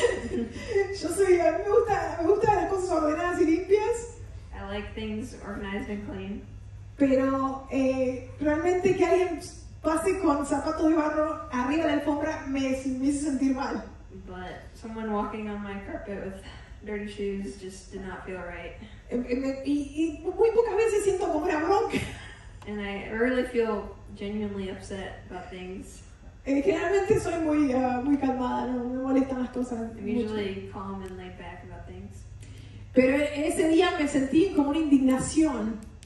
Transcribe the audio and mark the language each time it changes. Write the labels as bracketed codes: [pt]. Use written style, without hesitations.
[es] Yo soy, me gusta las cosas ordenadas y limpias. [en] I like things organized and clean. [es] Pero realmente que alguien pase con zapatos de barro arriba de la alfombra me hizo sentir mal. [en] But someone walking on my carpet with dirty shoes just did not feel right. [es] Y muy pocas veces siento como una bronca. [en] And I really feel genuinely upset about things. [es] Generalmente soy muy muy calmada, no me molestan las cosas. [en] I'm usually calm and laid back about things. [es] Pero ese día me sentí como una indignación.